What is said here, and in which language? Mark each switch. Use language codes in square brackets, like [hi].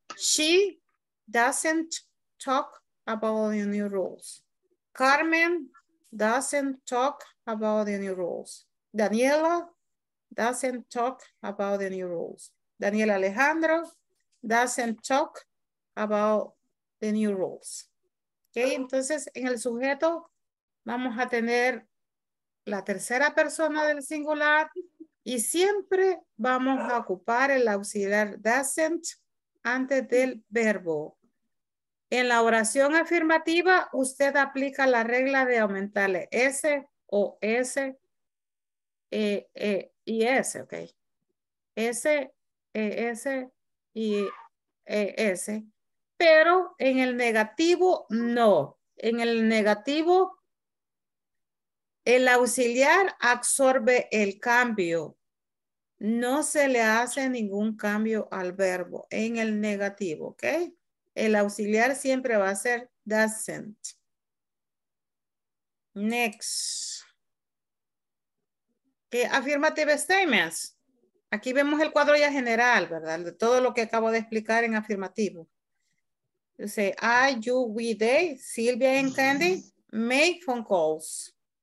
[en] She doesn't talk about the new rules. Carmen doesn't talk about the new rules. Daniela doesn't talk about the new rules. Daniela Alejandro doesn't talk about the new rules. [es] Okay, entonces en el sujeto vamos a tener la tercera persona del singular y siempre vamos a ocupar el auxiliar doesn't antes del verbo. En la oración afirmativa, usted aplica la regla de aumentarle S o S y S, ok. S, E, S y E, S. Pero en el negativo, no. En el negativo, el auxiliar absorbe el cambio. No se le hace ningún cambio al verbo en el negativo, ¿ok? El auxiliar siempre va a ser doesn't. [en] Next. Okay, affirmative statements. [es] Aquí vemos el cuadro ya general, ¿verdad? De todo lo que acabo de explicar en afirmativo. [en] Dice, are you, we, they, Silvia and Candy, make phone calls.